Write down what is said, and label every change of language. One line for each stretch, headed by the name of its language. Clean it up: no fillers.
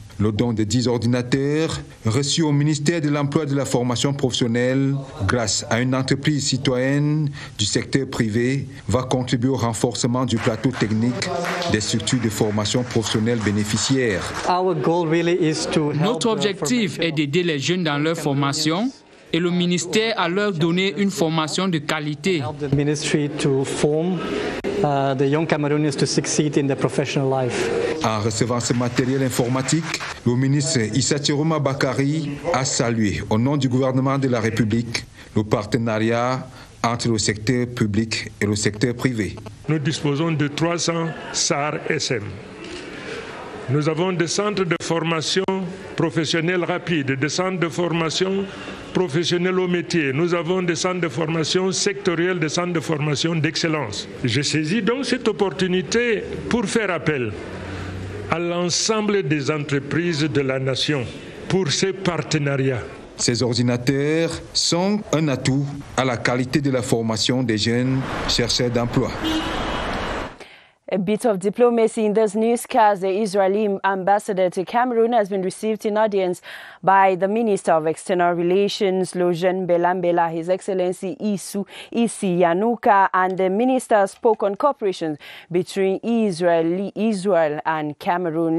French: Le don de 10 ordinateurs reçus au ministère de l'Emploi et de la Formation professionnelle grâce à une entreprise citoyenne du secteur privé va contribuer au renforcement du plateau technique des structures de formation professionnelle bénéficiaires. Notre objectif est d'aider les jeunes dans leur formation et le ministère à leur donner une formation de qualité.
English: The young Cameroonians to succeed in their professional life.
French: En recevant ce matériel informatique, le ministre Issa Tchiroma Bakary a salué, au nom du gouvernement de la République, le partenariat entre le secteur public et le secteur privé. Nous disposons de 300 SAR-SM. Nous avons des centres de formation professionnelle rapide, des centres de formation professionnels au métier. Nous avons des centres de formation sectoriels, des centres de formation d'excellence. Je saisis donc cette opportunité pour faire appel à l'ensemble des entreprises de la nation pour ces partenariats. Ces ordinateurs sont un atout à la qualité de la formation des jeunes chercheurs d'emploi.
English: A bit of diplomacy in this newscast. The Israeli ambassador to Cameroon has been received in audience by the Minister of External Relations, Lojan Belambela, His Excellency Isi Yanuka, and the minister spoke on cooperation between Israel and Cameroon.